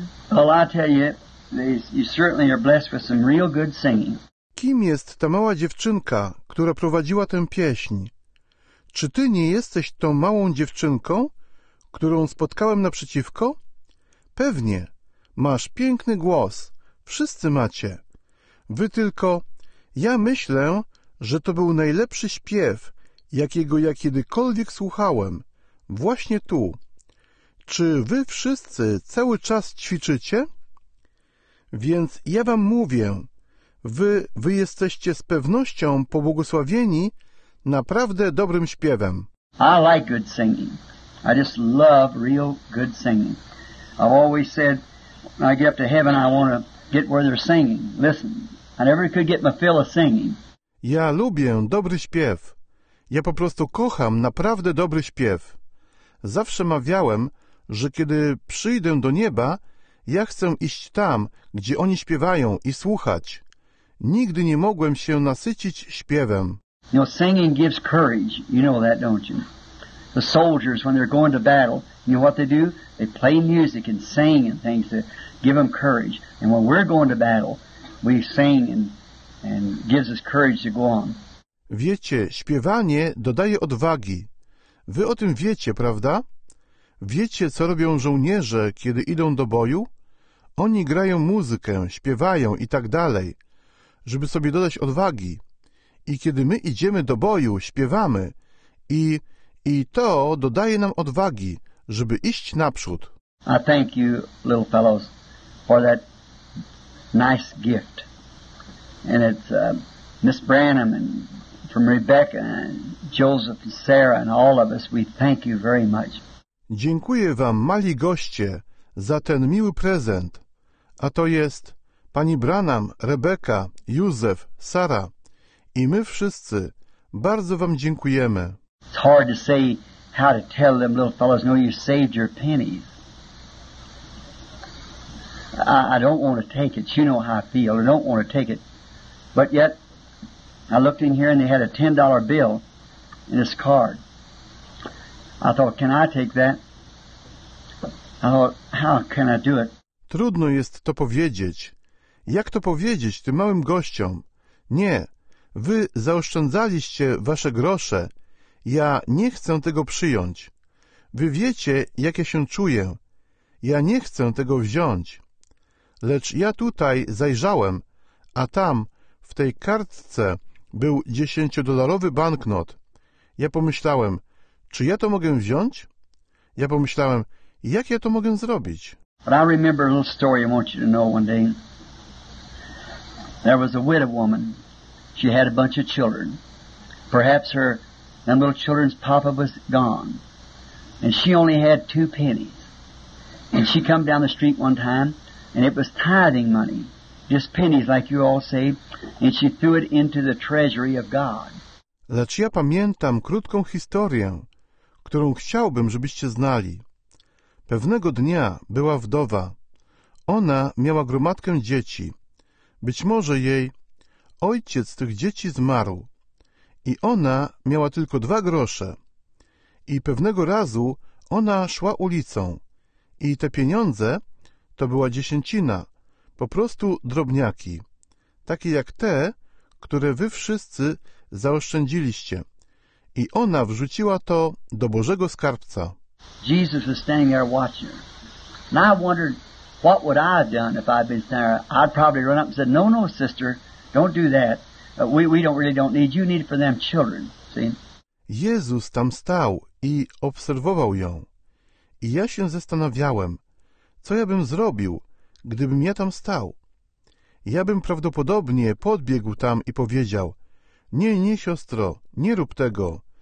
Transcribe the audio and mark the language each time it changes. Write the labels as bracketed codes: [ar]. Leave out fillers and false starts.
[en] Well, I tell you, you certainly are blessed with some real good singing. [pl] Kim jest ta mała dziewczynka, która prowadziła tę pieśń? Czy ty nie jesteś tą małą dziewczynką, którą spotkałem naprzeciwko? Pewnie. Masz piękny głos. Wszyscy macie. Wy tylko... Ja myślę, że to był najlepszy śpiew, jakiego ja kiedykolwiek słuchałem. Właśnie tu. Czy wy wszyscy cały czas ćwiczycie? Więc ja wam mówię, wy jesteście z pewnością pobłogosławieni naprawdę dobrym śpiewem. [en] I like good singing. I just love real good singing. I've always said... When I get up to heaven, I want to get where they're singing. Listen, I never could get my fill of singing. [pl] Ja lubię dobry śpiew. Ja po prostu kocham naprawdę dobry śpiew. Zawsze mawiałem, że kiedy przyjdę do nieba, ja chcę iść tam, gdzie oni śpiewają i słuchać. Nigdy nie mogłem się nasycić śpiewem. [en] You know, singing gives courage. You know that, don't you? The soldiers, when they're going to battle, you know what they do? They play music and sing and things to give them courage. And when we're going to battle, we sing and gives us courage to go on. [pl] Wiecie, śpiewanie dodaje odwagi. Wy o tym wiecie, prawda? Wiecie, co robią żołnierze, kiedy idą do boju? Oni grają muzykę, śpiewają i tak dalej, żeby sobie dodać odwagi. I kiedy my idziemy do boju, śpiewamy i to dodaje nam odwagi, żeby iść naprzód. [en] I thank you, little fellows, for that nice gift. And it's Miss Branham and from Rebecca and Joseph and Sarah and all of us, we thank you very much. [pl] Dziękuję wam, mali goście, za ten miły prezent. A to jest pani Branham, Rebecca, Józef, Sara i my wszyscy bardzo wam dziękujemy. [en] It's hard to say how to tell them little fellows, no, you saved your pennies. I don't want to take it. You know how I feel. I don't want to take it. But yet, I looked in here and they had a $10 bill in this card. I thought, can I take that? Oh, how can I do it? [pl] Trudno jest to powiedzieć. Jak to powiedzieć tym małym gościom? Nie, wy zaoszczędzaliście wasze grosze. Ja nie chcę tego przyjąć. Wy wiecie, jak ja się czuję. Ja nie chcę tego wziąć. Lecz ja tutaj zajrzałem, a tam, w tej kartce, był 10-dolarowy banknot. Ja pomyślałem, czy ja to mogę wziąć? Ja pomyślałem, jak ja to mogę zrobić? [en] But I remember a little story I want you to know one day. There was a widow woman. She had a bunch of children. Perhaps her them little children's papa was gone. And she only had 2 pennies. And she come down the street one time, and it was tithing money. Just pennies, like you all say. And she threw it into the treasury of God. [pl] Lecz ja pamiętam krótką historię, którą chciałbym, żebyście znali. Pewnego dnia była wdowa. Ona miała gromadkę dzieci. Być może jej ojciec tych dzieci zmarł. I ona miała tylko 2 grosze. I pewnego razu ona szła ulicą. I te pieniądze, to była dziesięcina, po prostu drobniaki. Takie jak te, które wy wszyscy zaoszczędziliście. I ona wrzuciła to do Bożego skarbca. [en] Jesus was standing there watching her. And I wondered, what would I have done if I'd been standing there? I'd probably run up and said, no, sister, don't do that. We don't need you. You need it for them children. See? [pl] Jezus tam stał i obserwował ją. I ja się zastanawiałem, co ja bym zrobił, gdybym ja tam stał. Ja bym prawdopodobnie podbiegł tam i powiedział, nie, siostro, nie rób tego.